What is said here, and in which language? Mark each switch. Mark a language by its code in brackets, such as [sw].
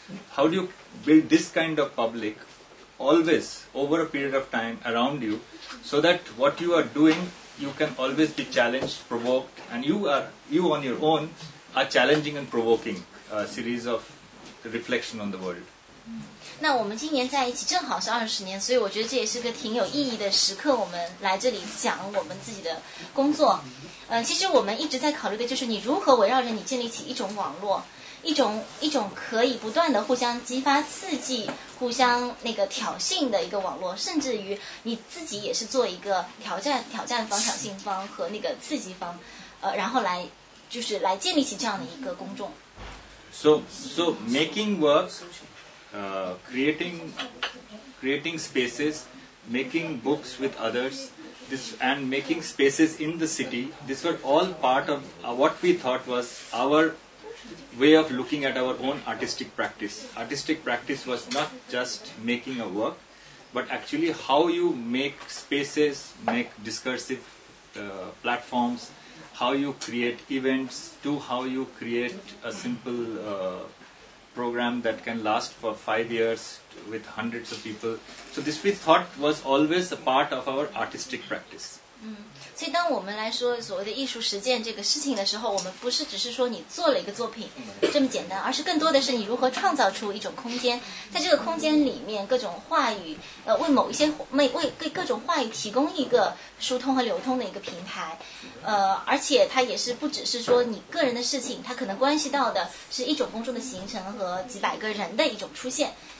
[en] How do you build this kind of public always over a period of time around you so that what you are doing, you can always be challenged, provoked, and you on your own are challenging and provoking a series of reflection on the world. [zh] 那我们今年在一起正好是20年，所以我觉得这也是个挺有意义的时刻，我们来这里讲我们自己的工作。其实我们一直在考虑的就是你如何围绕着你建立起一种网络，一种可以不断的互相激发刺激，互相那个挑衅的一个网络，甚至于你自己也是做一个挑战方、挑衅方和那个刺激方，然后来就是来建立起这样的一个公众。 [en] So making works, creating spaces, making books with others, this and making spaces in the city. These were all part of what we thought was our way of looking at our own artistic practice. Artistic practice was not just making a work, but actually how you make spaces, make discursive platforms, how you create events, to how you create a simple program that can last for 5 years with hundreds of people. So this we thought was always a part of our artistic practice. [zh] 所以当我们来说所谓的艺术实践这个事情的时候，我们不是只是说你做了一个作品这么简单，而是更多的是你如何创造出一种空间，在这个空间里面各种话语，为某一些为给各种话语提供一个疏通和流通的一个平台，而且它也是不只是说你个人的事情，它可能关系到的是一种公众的形成和几百个人的一种出现，